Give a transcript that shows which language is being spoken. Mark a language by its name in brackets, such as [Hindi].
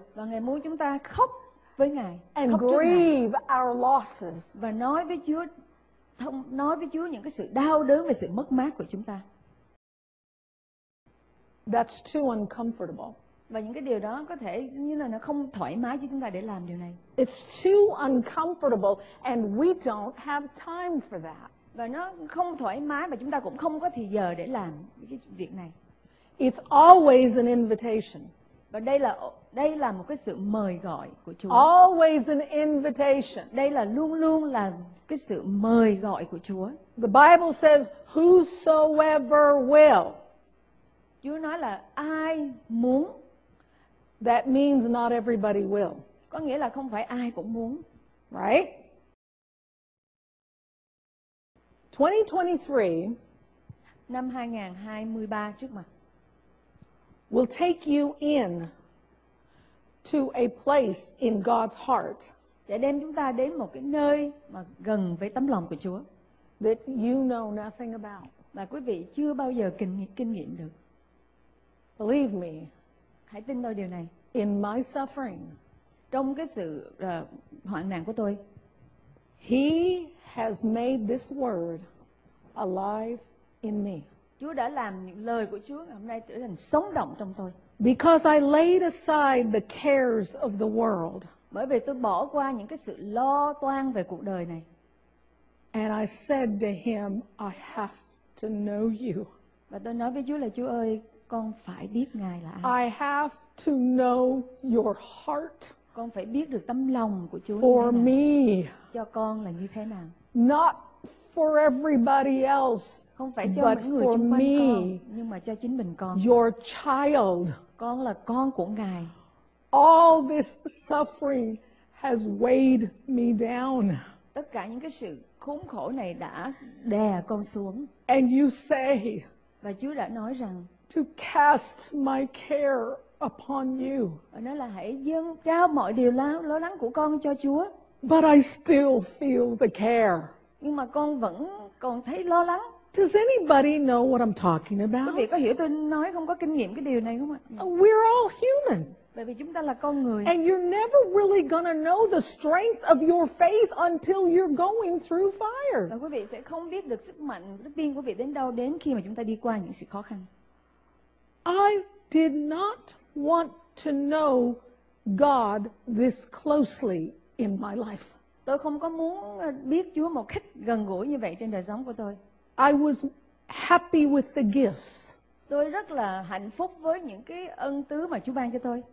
[Vietnamese] Và Ngài muốn chúng ta khóc với Ngài. [English] And grieve our losses. [Vietnamese] Và nói với Chúa những cái sự đau đớn và sự mất mát của chúng ta. [English] That's too uncomfortable. [Vietnamese] Và những cái điều đó có thể như là nó không thoải mái cho chúng ta để làm điều này. [English] It's too uncomfortable and we don't have time for that. [Vietnamese] Và nó không thoải mái và chúng ta cũng không có thời giờ để làm cái việc này. [English] It's always an invitation. [Vietnamese] Và đây là một cái sự mời gọi của Chúa. [English] Always an invitation. [Vietnamese] Đây là luôn luôn là cái sự mời gọi của Chúa. [English] The Bible says whosoever will. [Vietnamese] Chúa nói là ai muốn. [English] That means not everybody will. [Vietnamese] Có nghĩa là không phải ai cũng muốn. [English] Right? 2023. [Vietnamese] Năm 2023 trước mặt. [English] Will take you in to a place in God's heart. [Vietnamese] Sẽ đem chúng ta đến một cái nơi mà gần với tấm lòng của Chúa. [English] That you know nothing about. [Vietnamese] Mà quý vị chưa bao giờ kinh nghiệm được. [English] Believe me. [Vietnamese] Hãy tin tôi điều này. [English] In my suffering, [Vietnamese] trong cái sự hoạn nạn của tôi, [English] He has made this word alive in me. [Vietnamese] Chúa đã làm những lời của Chúa hôm nay trở thành sống động trong tôi. [English] Because I laid aside the cares of the world. [Vietnamese] Bởi vì tôi bỏ qua những cái sự lo toan về cuộc đời này. [English] And I said to Him, I have to know You. [Vietnamese] Và tôi nói với Chúa là Chúa ơi, con phải biết Ngài là ai. [English] I have to know Your heart. [Vietnamese] Con phải biết được tâm lòng của Chúa. [English] For me. [Vietnamese] Cho con là như thế nào. [English] Not for everybody else. [Vietnamese] Không phải cho những người xung quanh con, nhưng mà cho chính mình con. [English] Your child. [Vietnamese] Con là con của Ngài. [English] All this suffering has weighed me down. [Vietnamese] Tất cả những cái sự khốn khổ này đã đè con xuống. [English] And You say. [Vietnamese] Và Chúa đã nói rằng. [English] To cast my care upon You. [Vietnamese] Nó là hãy dâng trao mọi điều lo lắng của con cho Chúa. [English] But I still feel the care. [Vietnamese] Nhưng mà con vẫn còn thấy lo lắng. [English] Does anybody know what I'm talking about? [Vietnamese] Quý vị có hiểu tôi nói không, có kinh nghiệm cái điều này không ạ? [English] We're all human. [Vietnamese] Bởi vì chúng ta là con người. [English] And you're never really gonna know the strength of your faith until you're going through fire. [Vietnamese] Quý vị sẽ không biết được sức mạnh đức tin của vị đến đâu đến khi mà chúng ta đi qua những sự khó khăn. [English] I did not want to know God this closely in my life. [Vietnamese] Tôi không có muốn biết Chúa một cách gần gũi như vậy trên đời sống của tôi. [English] I was happy with the gifts. [Vietnamese] Tôi rất là hạnh phúc với những cái ân tứ mà Chúa ban cho tôi.